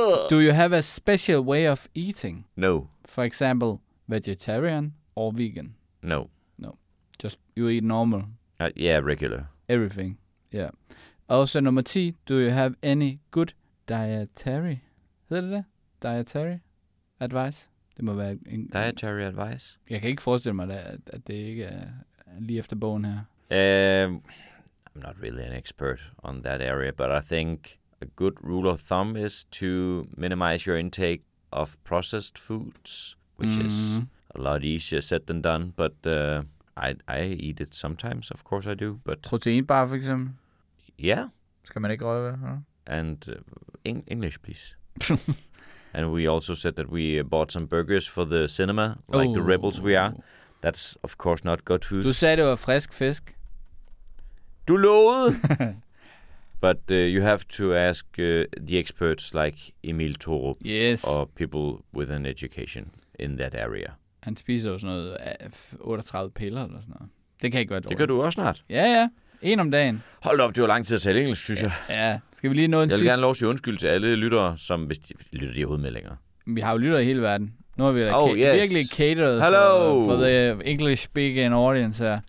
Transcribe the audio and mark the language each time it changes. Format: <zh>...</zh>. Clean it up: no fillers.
<en>Do you have a special way of eating? No. For example, vegetarian or vegan? No. No. Just you eat normal? Regular. Everything, yeah. Also,</en> <da>nummer 10.</da> <en>Do you have any good dietary?</en> <da>Hedder det?</da> <en>Dietary advice?</en> <da>Det må være en...</da> <en>Dietary advice?</en> <da>Jeg kan ikke forestille mig, at det ikke er lige efter bogen her.</da> <en>I'm not really an expert on that area, but I think a good rule of thumb is to minimize your intake of processed foods, which is a lot easier said than done. But I eat it sometimes, of course I do. But proteinbar, for example? Yeah.</en> <da>Skal man ikke røve det?</da> <en>And English, please. And we also said that we bought some burgers for the cinema, like the rebels we are. That's, of course, not good food.</en> <da>Du sagde, det var frisk fisk. Du lovede!</da> <en>But you have to ask the experts like Emil Thorup. Yes. Or people with an education in that area.</en> <da>Han spiser også noget 38 piller eller sådan noget. Det kan ikke være dårligt. Det gør du også snart. Ja. En om dagen. Hold op, det var lang tid at tale engelsk, synes jeg. Ja, skal vi lige nå en sidste? Jeg vil gerne lov at sige undskyld til alle lyttere, som hvis de lytter de overhovedet med længere. Vi har jo lyttere i hele verden. Nu har vi virkelig</da> <en>catered for the English speaking audience</en> <da>her.</da>